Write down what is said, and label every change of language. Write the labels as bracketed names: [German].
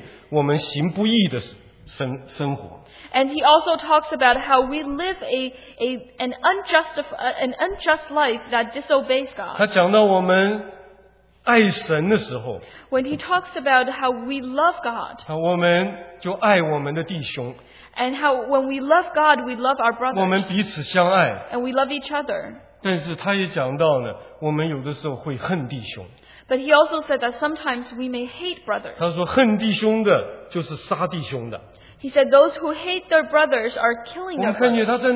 [Chinese] 他也讲到我们人呢，有不遵守神命令，我们行不义的生活。 [English] And he also talks about how we live an unjust life that disobeys God. [Chinese] 他讲到我们 爱神的时候, [English] when he talks about how we love God, [Chinese] 我们就爱我们的弟兄, [English] and how when we love God, we love our brothers, [Chinese] 我们彼此相爱, [English] and we love each other. [Chinese] 但是他也讲到呢, 我们有的时候会恨弟兄, [English] but he also said that sometimes we may hate brothers. [Chinese] 他说恨弟兄的就是杀弟兄的。 [English] He said those who hate their brothers are killing their brothers.